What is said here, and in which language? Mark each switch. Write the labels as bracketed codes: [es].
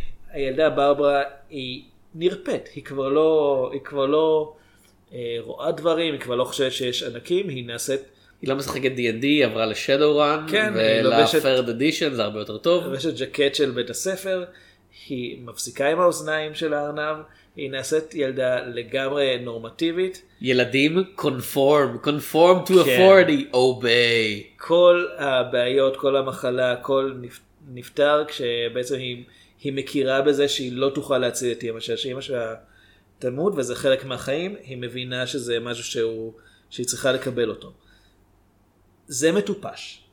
[he] הילדה ברברה היא נרפית, היא כבר לא רואה דברים, היא כבר לא חושבת שיש ענקים, היא נעשית... היא לא משחקת D&D, היא עברה לשדורן, כן, ולפרד אדישן, זה הרבה יותר טוב. יש את ג'קט של בית הספר, היא מפסיקה עם האוזניים של הארנב, היא נעשית ילדה לגמרי נורמטיבית. [en] ילדים, conform to authority, obey. [he] כל הבעיות, כל המחלה, הכל נפטר, כשבעצם היא מכירה בזה שהיא לא תוכל להציל את אמא שלה, שאמא שלה תמות, וזה חלק מהחיים, היא מבינה שזה משהו שהיא צריכה לקבל אותו. זה מטופש.